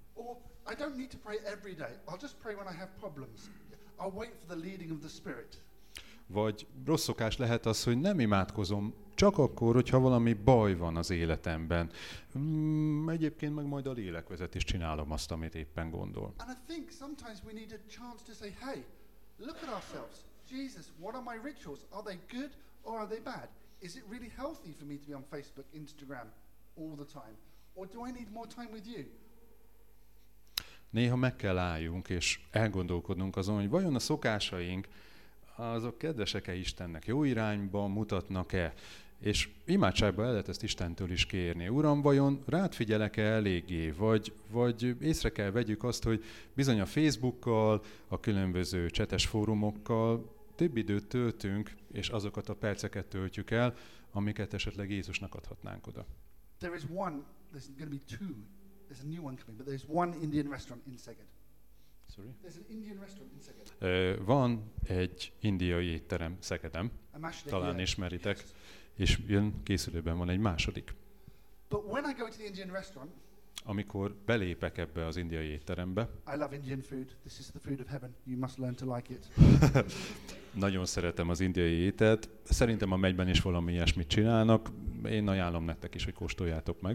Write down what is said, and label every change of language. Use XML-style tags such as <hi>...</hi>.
<en>Or I don't need to pray every day. I'll just pray when I have problems. I'll wait for the leading of the Spirit.</en> <hu>Vagy rossz szokás lehet az, hogy nem imádkozom, csak akkor, hogyha valami baj van az életemben. Egyébként meg majd a lélekvezet is csinálom azt, amit éppen gondol.</hu> <en>And I think sometimes we need a chance to say, hey, look at ourselves. Jesus, what are my rituals? Are they good or are they bad? Is it really healthy for me to be on Facebook, Instagram all the time? Or do I need more time with you?</en> <hu>Néha meg kell álljunk és elgondolkodnunk azon, hogy vajon a szokásaink azok kedvesek-e Istennek, jó irányba mutatnak-e, és imádságban el lehet ezt Istentől is kérni. Uram, vajon rád figyelek-e eléggé, vagy észre kell vegyük azt, hogy bizony a Facebookkal, a különböző csetes fórumokkal több időt töltünk, és azokat a perceket töltjük el, amiket esetleg Jézusnak adhatnánk oda.</hu> <en>There is one, there's going to be two. There's a new one coming, but there's one Indian restaurant in Szeged. Sorry? There's an Indian restaurant in Szeged.</en> <hu>Van egy indiai étterem Szegeden. Talán ismeritek.</hu> <en>Yes.</en> <hu>És jön, készülőben van egy második.</hu> <en>But when I go to the Indian restaurant,</en> <hu>amikor belépek ebbe az indiai étterembe,</hu> <en>I love Indian food. This is the food of heaven. You must learn to like it.</en> <hu>Nagyon szeretem az indiai ételt. Szerintem a megyben is valami ilyesmit csinálnak. Én ajánlom nektek is, hogy kóstoljátok meg.</hu>